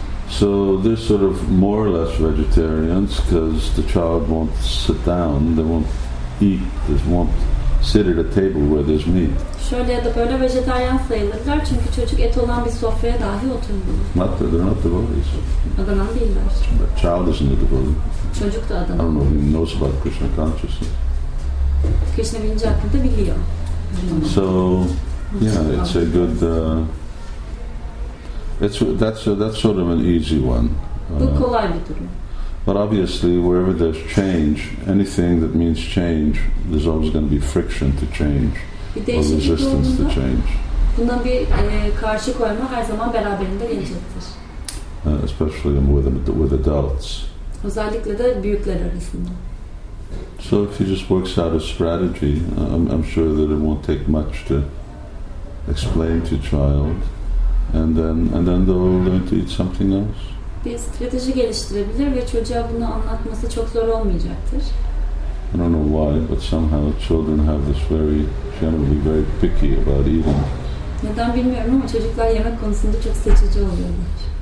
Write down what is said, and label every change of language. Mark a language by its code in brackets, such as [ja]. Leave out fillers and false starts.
[en] So they're sort of more or less vegetarians because the child won't sit down, they won't eat, they won't sit at a table where there's meat. [tr] Şöyle ya da böyle vejetaryen sayılırlar çünkü çocuk et olan bir sofraya dahi oturmuyor. [en] Not that they're not devotees. [tr] Adanan değiller. [en] But child isn't a devotee. [tr] Çocuk da adanan. [en] I don't know if he knows about Krishna consciousness. [tr] Krishna bilinci hakkında biliyor. [en] So yeah, it's a good. That's sort of an easy one. [tr] Bu kolay bir durum. [en] But obviously, wherever there's change, anything that means change, there's always going to be friction to change or resistance to change. [tr] Buna bir karşı koyma her zaman beraberinde gelecektir. [en] Especially with adults. [tr] Özellikle de büyükler arasında. [en] So if he just works out a strategy, I'm sure that it won't take much to explain to child, and then they'll learn to eat something else. [tr] Bir strateji geliştirebilir ve çocuğa bunu anlatması çok zor olmayacaktır. [en] I don't know why, but somehow children have this very, generally very picky about eating. [tr] Neden bilmiyorum ama çocuklar yemek konusunda çok seçici oluyorlar.